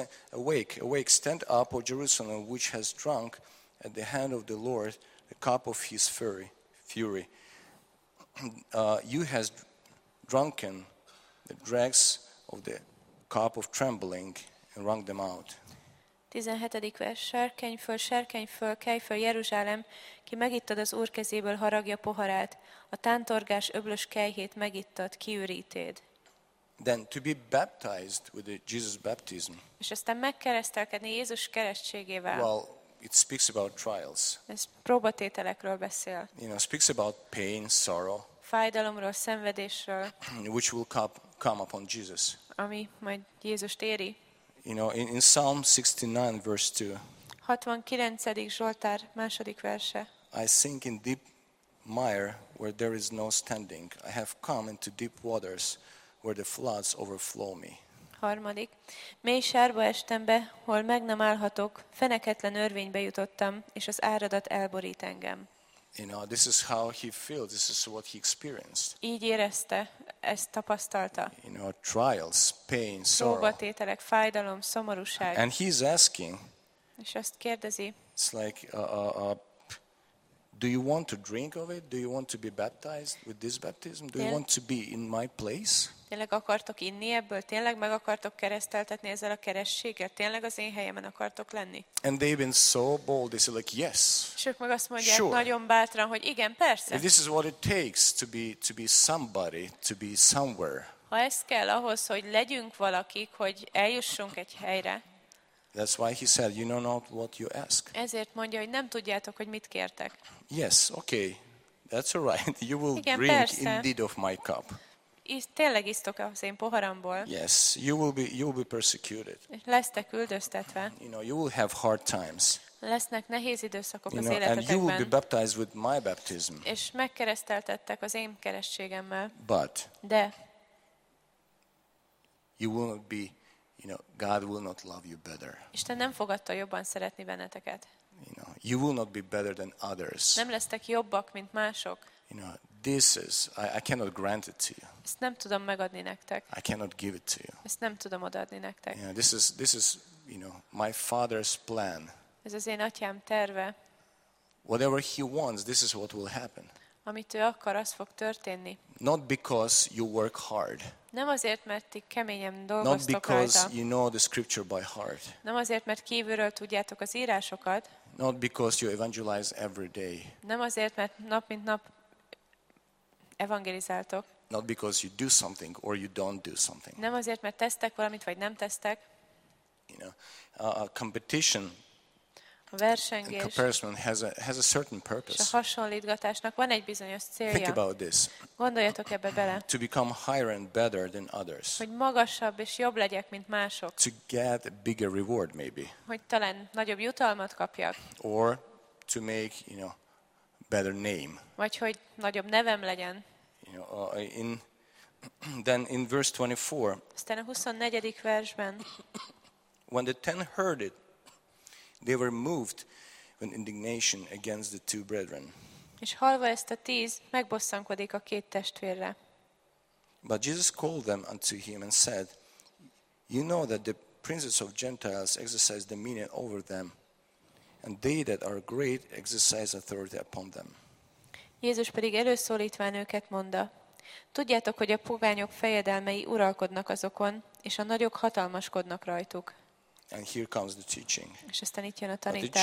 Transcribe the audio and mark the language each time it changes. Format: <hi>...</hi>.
<en>Awake, stand up, O Jerusalem, which has drunk at the hand of the Lord the cup of his fury. You has drunken the dregs of the cup of trembling and wrung them out.</en> <hu>17. vers, sárkány föl, kelj föl, Jeruzsálem, ki megittad az Úr kezéből haragja poharát, a tántorgás öblös kelyhét megittad, kiürítéd.</hu> <en>Then to be baptized with the Jesus baptism.</en> <hu>És aztán megkeresztelkedni Jézus keresztségével.</hu> <en>Well, it speaks about trials.</en> <hu>Ez próbatételekről beszél.</hu> <en>You know, speaks about pain, sorrow.</en> <hu>Fájdalomról, szenvedésről.</hu> <en>Which will come upon Jesus.</en> <hu>Ami majd Jézust éri.</hu> <en>You know, in Psalm 69, verse 2.</en> <hu>69. Zsoltár, második verse.</hu> <en>I sink in deep mire where there is no standing. I have come into deep waters where the floods overflow me.</en> <hu>Harmadik. Mély sárba estem be, hol meg nem állhatok, feneketlen örvénybe jutottam, és az áradat elborít engem.</hu> <en>You know, this is how he feels. This is what he experienced.</en> <hu>Így érezte, ezt tapasztalta.</hu> <en>You know, trials, pain, sorrow.</en> <hu>Próbatételek, fájdalom, szomorúság.</hu> <en>And he's asking.</en> <hu>És azt kérdezi.</hu> <en>It's like, do you want to drink of it? Do you want to be baptized with this baptism? Do you want to be in my place?</en> <hu>Tényleg akartok inni ebből? Tényleg meg akartok kereszteltetni ezzel a keresztséggel? Tényleg az én helyemen akartok lenni?</hu> <en>And they've been so bold. They say like, yes.</en> <hu>Sok meg azt mondják, sure. Nagyon bátran, hogy igen, persze.</hu> <en>If this is what it takes to be somebody, to be somewhere.</en> <hu>Ha ez kell ahhoz, hogy legyünk valakik, hogy eljussunk egy helyre.</hu> <en>That's why he said, you know not what you ask.</en> <hu>Ezért mondja, hogy nem tudjátok, hogy mit kértek.</hu> <en>Yes, okay. That's all right. You will</en> <hu>igen,</hu> <en>drink</en> <hu>persze.</hu> <en>Indeed of my cup.</en> <hu>Tényleg isztok az én poharamból.</hu> <en>Yes, you will be persecuted.</en> <hu>Lesztek üldöztetve.</hu> <en>You know, you will have hard times.</en> <hu>Lesznek nehéz időszakok</hu> <en>you</en> <hu>az életetekben.</hu> <en>And you will be baptized with my baptism.</en> <hu>És megkereszteltettek az én keresztségemmel.</hu> <en>But.</en> <hu>De.</hu> <en>You will not be, you know, God will not love you better.</en> <hu>Isten nem fog attól jobban szeretni benneteket.</hu> <en>You know, you will not be better than others.</en> <hu>Nem lesztek jobbak, mint mások.</hu> <en>You know, this is I cannot grant it to you.</en> <hu>Ezt nem tudom megadni nektek.</hu> <en>I cannot give it to you.</en> <hu>Ezt nem tudom odaadni nektek.</hu> <en>You know, this is, you know, my father's plan.</en> <hu>Ez az én atyám terve.</hu> <en>Whatever he wants, this is what will happen.</en> <hu>Amit ő akar, az fog történni.</hu> <en>Not because you work hard.</en> <hu>Nem azért, mert ti keményen dolgoztok</hu> <en>rajta. Not because you know the scripture by heart.</en> <hu>Nem azért, mert kívülről tudjátok az írásokat.</hu> <en>Not because you evangelize every day.</en> <hu>Nem azért, mert nap mint nap evangelizáltok.</hu> <en>Not because you do something or you don't do something.</en> <hu>Nem azért, mert tesztek valamit vagy nem tesztek.</hu> <en>You know, a competition.</en> <hu>A versengés.</hu> <en>Comparison has a certain purpose.</en> <hu>A hasonlítgatásnak van egy bizonyos célja.</hu> <en>Think about this.</en> <hu>Gondoljatok ebbe bele.</hu> <en>To become higher and better than others.</en> <hu>Hogy magasabb és jobb legyek mint mások.</hu> <en>To get a bigger reward maybe.</en> <hu>Hogy talán nagyobb jutalmat kapjak.</hu> <en>Or to make, you know, better name.</en> <hu>Vagy hogy nagyobb nevem legyen.</hu> <en>You know, in verse 24.</en> <hu>Aztán a 24. versben.</hu> <en>When the ten heard it, they were moved with indignation against the two brethren.</en> <hu>És hallva ezt a tíz, megbosszankodik a két testvérre.</hu> <en>But Jesus called them unto him and said, you know that the princes of Gentiles exercise dominion over them, and they that are great exercise authority upon them.</en> <hu>Jézus pedig előszólítván őket mondta, tudjátok, hogy a pogányok fejedelmei uralkodnak azokon, és a nagyok hatalmaskodnak rajtuk.</hu> <en>And here comes the teaching.</en> <hu>És aztán itt jön a tanítás.</hu>